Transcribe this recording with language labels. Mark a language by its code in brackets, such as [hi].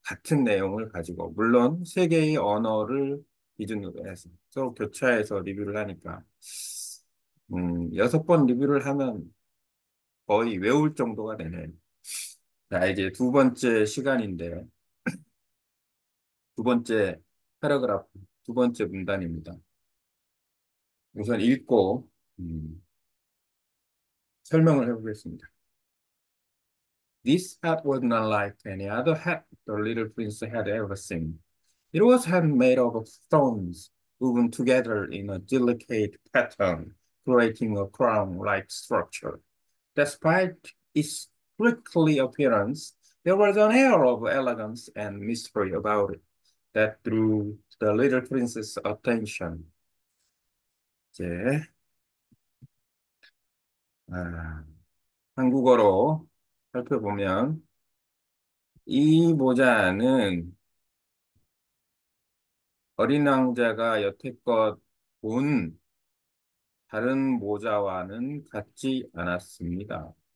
[ko] 같은 내용을 가지고. 물론 세 개의 언어를 기준으로 해서 서로 교차해서 리뷰를 하니까, 6번 리뷰를 하면 거의 외울 정도가 되네요. 자, 이제 두 번째 시간인데요. 두 번째 패러그래프, 두 번째 문단입니다. 우선 읽고 설명을 해보겠습니다. [en] This hat was not like any other hat the little prince had ever seen. It was handmade of stones woven together in a delicate pattern, creating a crown-like structure. Despite its prickly appearance, there was an air of elegance and mystery about it that drew the little prince's attention. [ko] 이제 한국어로 살펴보면, 이 모자는 어린 왕자가 여태껏 본 다른 모자와는 같지 않았습니다.